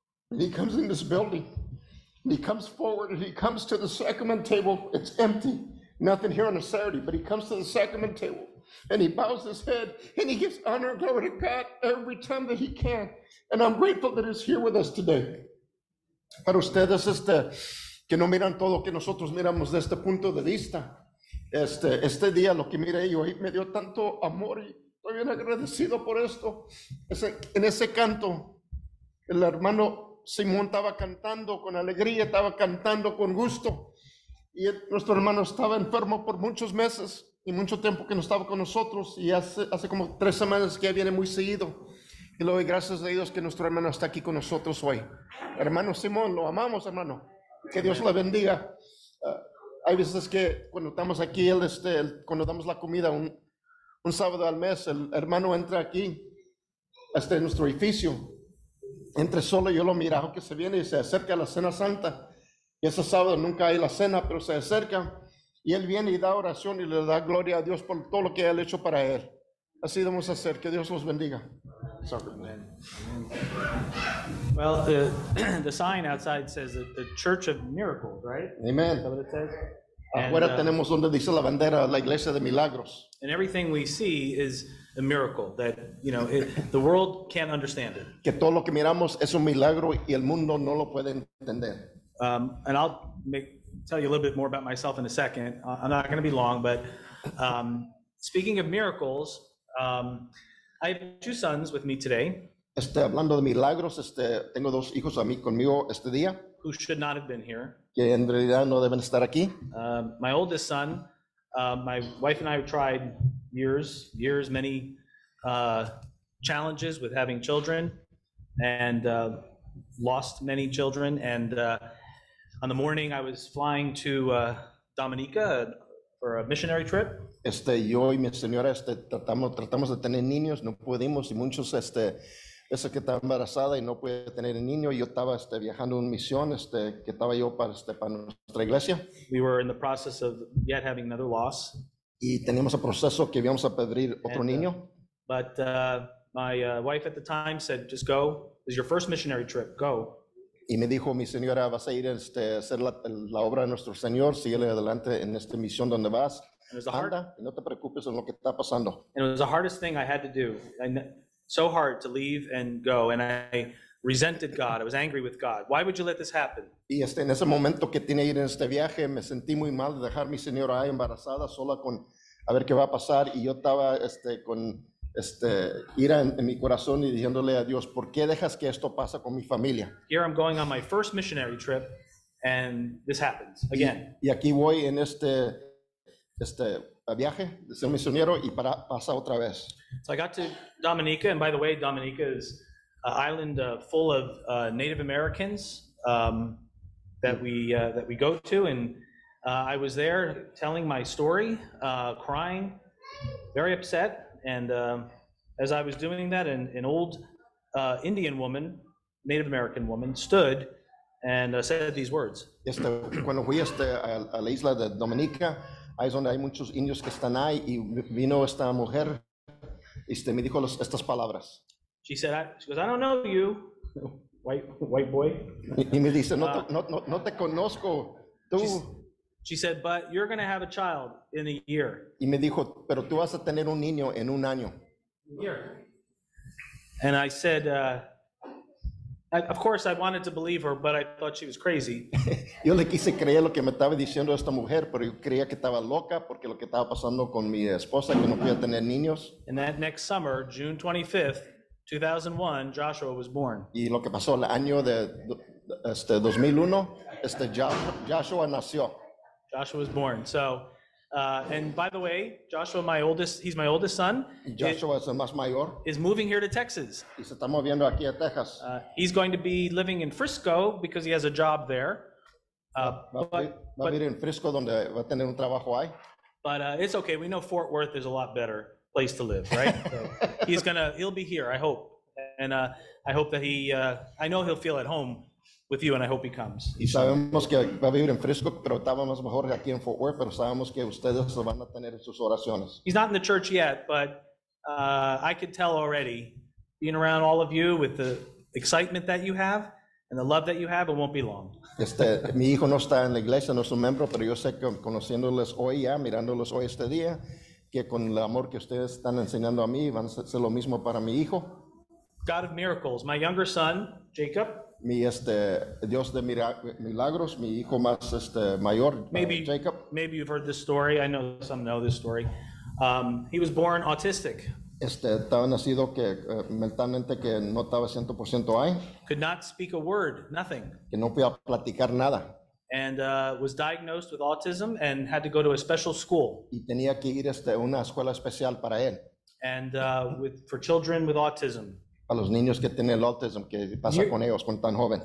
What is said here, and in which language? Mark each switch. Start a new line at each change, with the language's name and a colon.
English: And he comes in this building, and he comes forward, and he comes to the sacrament table. It's empty, nothing here on a Saturday, but he comes to the sacrament table, and he bows his head, and he gives honor and glory to God every time that he can. And I'm grateful that he's here with us today.
Spanish: Para ustedes, que no miran todo que nosotros miramos de este punto de vista, este día lo que miré yo, me dio tanto amor, y estoy bien agradecido por esto. En ese canto, el hermano Simón estaba cantando con alegría, estaba cantando con gusto. Y nuestro hermano estaba enfermo por muchos meses y mucho tiempo que no estaba con nosotros. Y hace como 3 semanas que viene muy seguido. Y le doy gracias a Dios que nuestro hermano está aquí con nosotros hoy. Hermano Simón, lo amamos, hermano. Que Dios le bendiga. Hay veces que cuando estamos aquí, cuando damos la comida un sábado al mes, el hermano entra aquí, en nuestro edificio. Entre solo yo lo miraba que se viene y se acerca a la cena santa. Y ese sábado nunca hay la cena, pero se acerca. Y él viene y da oración y le da gloria a Dios por todo lo que él ha hecho para él. Así debemos hacer. Que Dios los bendiga. Amen.
English: Well, the sign outside says that the Church of Miracles, right? Amen. That's what it says.
Spanish: Afuera tenemos donde dice la bandera, la Iglesia de Milagros.
English: And everything we see is a miracle that, you know, the world can't understand it.
Spanish: Que todo lo que miramos es un milagro y el mundo no lo puede entender.
English: And I'll tell you a little bit more about myself in a second. I'm not going to be long, but speaking of miracles, I have 2 sons with me today.
Spanish: Hablando de milagros, tengo 2 hijos a mí conmigo este día.
English: Who should not have been here.
Spanish: Que en realidad no deben estar aquí.
English: My oldest son, my wife and I have tried years, many challenges with having children, and lost many children. And on the morning I was flying to Dominica for a missionary trip.
Spanish: Yo y mi señora tratamos de tener niños, no pudimos, y muchos esa que estaba embarazada y no puede tener el niño. Yo estaba viajando en misión que estaba yo para nuestra iglesia.
English: We were in the process of yet having another loss.
Spanish: Y teníamos el proceso que íbamos a pedir otro niño.
English: But my wife at the time said, just go. It was your first missionary trip. Go.
Spanish: Y me dijo mi señora, vas a ir a hacer la obra de nuestro Señor. Síguele adelante en esta misión donde vas. Anda y no te preocupes en lo que está pasando.
English: And it was the hardest thing I had to do. So hard to leave and go, and I resented God. I was angry with God. Why would you let this happen?
Spanish: Y en ese momento que tenía ir en este viaje, me sentí muy mal de dejar mi señora ahí embarazada sola con a ver qué va a pasar. Y yo estaba con ira en mi corazón y diciéndole a Dios, ¿por qué dejas que esto pasa con mi familia?
English: Here I'm going on my first missionary trip, and this happens again.
Spanish: Y aquí voy en viaje de ser misionero y pasa otra vez.
English: So I got to Dominica, and by the way, Dominica is an island full of Native Americans that we go to, and I was there telling my story, crying, very upset, and as I was doing that, an old Indian woman, Native American woman, stood and said these words.
Spanish: Cuando fui a la isla de Dominica, ahí es donde hay muchos indios que están ahí, y vino esta mujer y me dijo estas palabras.
English: She said, she goes, I don't know you, white boy.
Spanish: Y me dice, no te conozco, tú.
English: She said, but you're going to have a child in a year.
Spanish: Y me dijo, pero tú vas a tener un niño en un año.
English: Year. And I said, of course I wanted to believe her, but I thought she was crazy.
Spanish: Yo le quise creer lo que me estaba diciendo esta mujer, pero yo creía que estaba loca porque lo que estaba pasando con mi esposa, que no podía tener niños.
English: And that next summer, June 25th, 2001, Joshua was born.
Spanish: Y lo que pasó el año de 2001, Joshua nació.
English: Joshua was born. So And by the way, Joshua, my oldest, he's my oldest son.
Spanish: Joshua es el más mayor.
English: Is moving here to Texas.
Spanish: Y se está moviendo aquí a Texas.
English: He's going to be living in Frisco because he has a job there.
Spanish: Va a vivir en Frisco donde va a tener un trabajo ahí.
English: But it's okay. We know Fort Worth is a lot better place to live, right? So he'll be here, I hope. And I hope that I know he'll feel at home with you, and I hope he comes.
Spanish: Y sabemos que va a vivir en Frisco, pero estábamos mejor aquí en Fort Worth, pero sabemos que ustedes lo van a tener en sus oraciones.
English: He's not in the church yet, but I could tell already, being around all of you with the excitement that you have and the love that you have, it won't be long.
Spanish: Mi hijo no está en la iglesia, no es un miembro, pero yo sé que conociéndoles hoy ya, mirándolos hoy este día, que con el amor que ustedes están enseñando a mí, van a ser lo mismo para mi hijo.
English: God of miracles, my younger son, Jacob.
Spanish: Mi Dios de milagros, mi hijo más mayor, Jacob.
English: Maybe you've heard this story. I know some know this story. He was born autistic.
Spanish: Estaba nacido que mentalmente que no estaba 100% ahí.
English: Could not speak a word, nothing.
Spanish: Que no podía platicar nada.
English: And was diagnosed with autism and had to go to a special school.
Spanish: Y tenía que ir una escuela especial para él.
English: And for children with autism.
Spanish: A los niños que tienen el autism, que pasa con ellos cuando tan joven.